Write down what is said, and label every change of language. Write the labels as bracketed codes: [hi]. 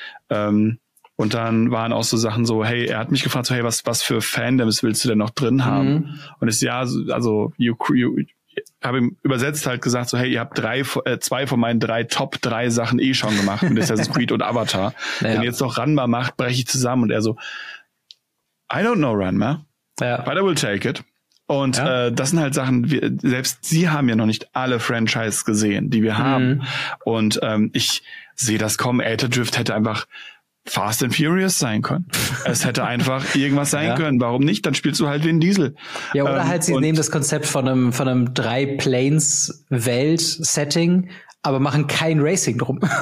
[de] Und dann waren auch so Sachen so, hey, er hat mich gefragt, so, hey, was für Fandoms willst du denn noch drin haben? Mhm. Und ich, ja, also, habe ihm übersetzt halt gesagt, so, hey, ihr habt zwei von meinen drei Top drei Sachen eh schon gemacht, mit Assassin's Creed und Avatar. Naja. Wenn ihr jetzt noch Ranma macht, breche ich zusammen. Und er so, [en] I don't know Ranma, but I will take it. [de] Und das sind halt Sachen, selbst sie haben ja noch nicht alle Franchises gesehen, die wir haben. Und ich sehe das kommen, Elder Drift hätte einfach Fast and Furious sein können. Es hätte einfach irgendwas sein können. Warum nicht? Dann spielst du halt wie ein Diesel. Ja, oder halt sie nehmen das Konzept von einem Drei-Planes-Welt-Setting, aber machen kein Racing drum.